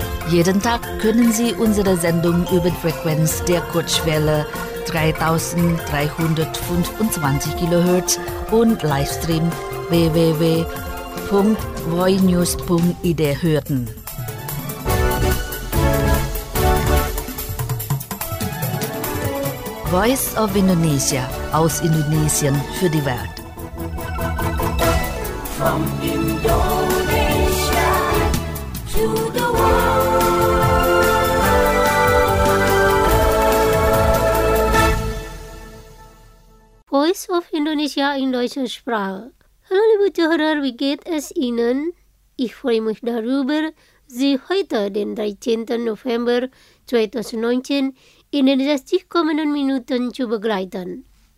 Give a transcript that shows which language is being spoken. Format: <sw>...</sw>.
<de>Jeden Tag können Sie unsere Sendung über die Frequenz der Kurzwelle 3325 kHz und Livestream www.voinews.id hören. Voice of Indonesia aus Indonesien für die Welt.</de> <en>From Indonesia to the world.</en> <de>Voice of Indonesia in deutscher Sprache. Hallo liebe Zuhörer, wie geht es Ihnen? Ich freue mich darüber, Sie heute, den 13. November 2019, in den 60 kommenden Minuten zu begleiten.</de>